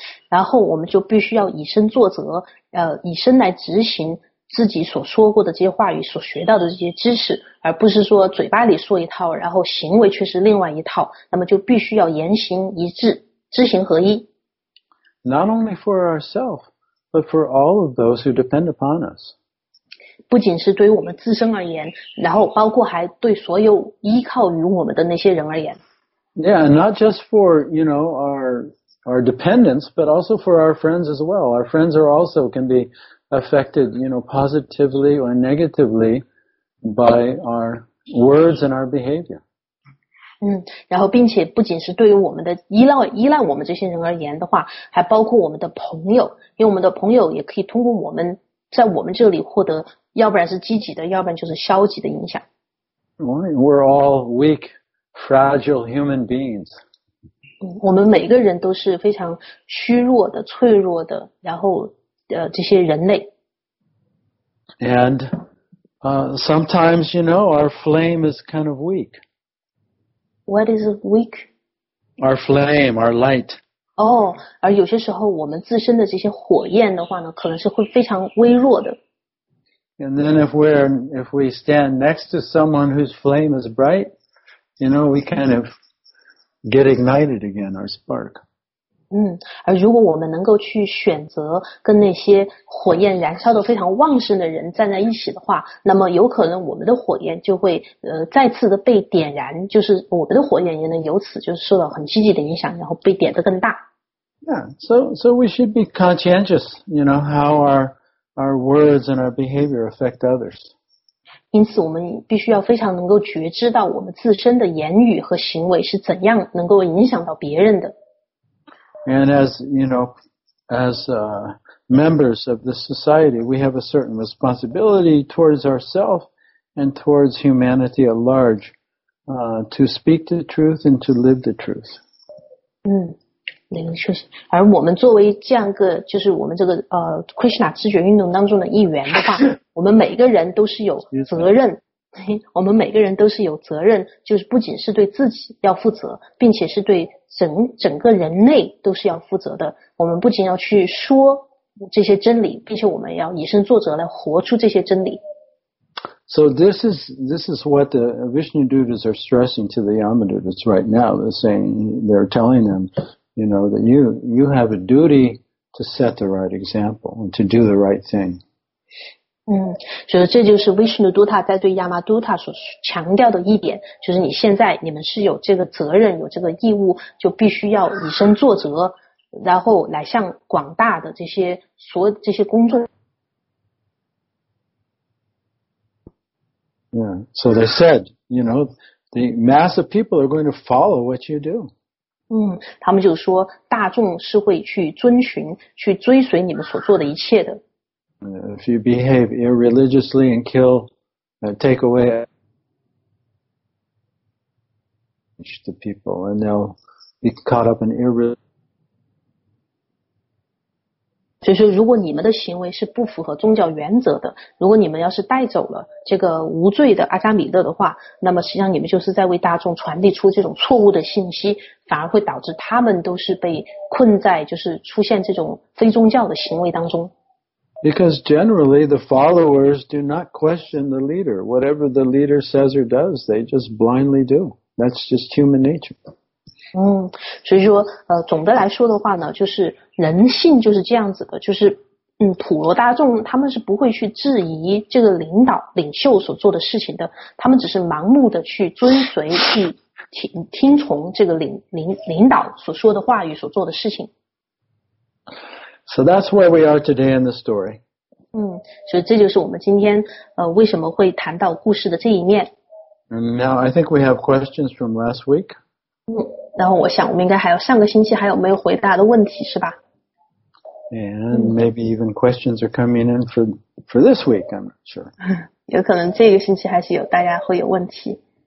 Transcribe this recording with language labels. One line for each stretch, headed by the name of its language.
Chinese: 然后我们就必须要以身作则，以身来执行自己所说过的这些话语，所学到的这些知识，而不是说嘴巴里说一套，然后行为却是另外一套，那么就必须要言行一致，知行合一。
English: Not only for ourselves, but for all of those who depend upon us.
Chinese: 不仅是对于我们自身而言，然后包括还对所有依靠于我们的那些人而言。
English: Yeah, not just for, you know, our dependents, but also for our friends as well. Our friends are also can be affected, you know, positively or negatively by our words and our behavior.
Chinese: 然后并且不仅是对于我们的依赖我们这些人而言的话，还包括我们的朋友，因为我们的朋友也可以通过我们在我们这里获得，要不然是积极的，要不然就是消极的影响。
English: We're all weak, fragile human beings.
Chinese: 我们每个人都是非常虚弱的、脆弱的，然后这些人类。
English: And sometimes, you know, our flame is kind of weak. What is weak? Our flame, our light.
Chinese: 而有些时候我们自身的这些火焰的话呢，可能是会非常微弱的。
English: And then if we stand next to someone whose flame is bright, you know, we kind of get ignited again, our spark.
Chinese: 而如果我们能够去选择跟那些火焰燃烧得非常旺盛的人站在一起的话，那么有可能我们的火焰就会再次的被点燃，就是我们的火焰也能由此就受到很积极的影响，然后被点得更大。
English: Yeah, so we should be conscientious, you know, how our words and our behavior affect others.
Chinese: 因此我们必须要非常能够觉知到我们自身的言语和行为是怎样能够影响到别人的。
English: And as, you know, as members of the society, we have a certain responsibility towards ourselves and towards humanity at large, to speak the truth and to live the truth.
Chinese: 确实，而我们作为这样一个，就是我们这个Krishna 知觉运动当中的一员的话，我们每个人都是有责任，我们每个人都是有责任，就是不仅是对自己要负责，并且是对整个人类都是要负责的。我们不仅要去说这些真理，并且我们要以身作则来活出这些真理。
English: So this is what the Vishnu Dutas are stressing to the Yamadutas right now. They're telling them. You know, that you have a duty to set the right example and to do the right thing.
Chinese: 所以这就是 Vishnu Dutta 在对 Yama Dutta 所强调的一点，就是你们是有这个责任，有这个义务，就必须要以身作则，然后来向广大的这些公众。
English: Yeah, so they said, you know, the mass of people are going to follow what you do.
Chinese: 他们就说大众是会去遵循去追随你们所做的一切的。
English: If you behave irreligiously and take away the people and they'll be caught up in irreligion.
Chinese: 就是如果你们的行为是不符合宗教原则的，如果你们要是带走了这个无罪的阿扎米勒的话，那么实际上你们就是在为大众传递出这种错误的信息，反而会导致他们都是被困在就是出现这种非宗教的行为当中。
English: Because generally the followers do not question the leader. Whatever the leader says or does, they just blindly do. That's just human nature.
Chinese: 所以说总的来说的话呢，就是人性就是这样子的，就是普罗大众他们是不会去质疑这个领袖所做的事情的，他们只是盲目的去遵随去听从这个领导所说的话语所做的事情。
English: So that's where we are today in the story.
Chinese: 所以这就是我们今天为什么会谈到故事的这一面。
English: And now I think we have questions from last week.
Chinese: 然后我想我们应该还有上个星期还有没有回答的问题是吧？
English: And maybe even questions are coming in for this week, I'm not sure.
Chinese: 有可能这个星期还是有大家会有问题。